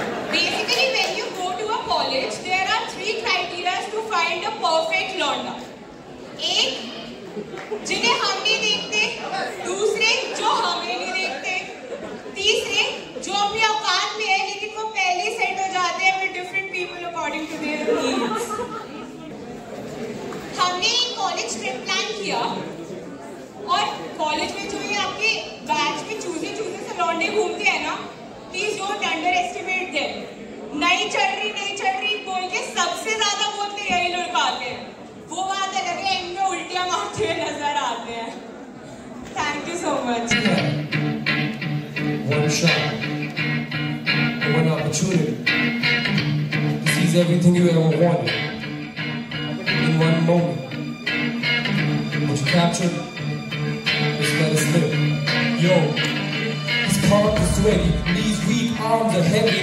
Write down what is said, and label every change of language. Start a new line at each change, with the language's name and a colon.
English: Basically, when you go to a college, there are three criteria to find a perfect
Hindi: एक लौंडा, एक जिन्हें हम नहीं देखते, दूसरे जो हमें नहीं देखते, तीसरे जो अपने औकात में है लेकिन वो पहले सेट हो जाते हैं
English: With different people according to their needs.
Hindi: हमने एक कॉलेज ट्रिप प्लान किया और कॉलेज में जो ये आपके बैच में चूजे से लौंडे घूमते हैं ना,
English: Please don't underestimate them.
Hindi: नहीं चल रही बोल के सबसे ज्यादा बोलते यही लुड़काते हैं, वो बात अलग है, एंड में उल्टियां मारते हुए नजर आते हैं।
English: Thank you so much. One shot, one opportunity. This is everything you ever wanted. In one moment, what you captured, just let it slip. Yo, his palms are sweaty, knees weak, arms are heavy.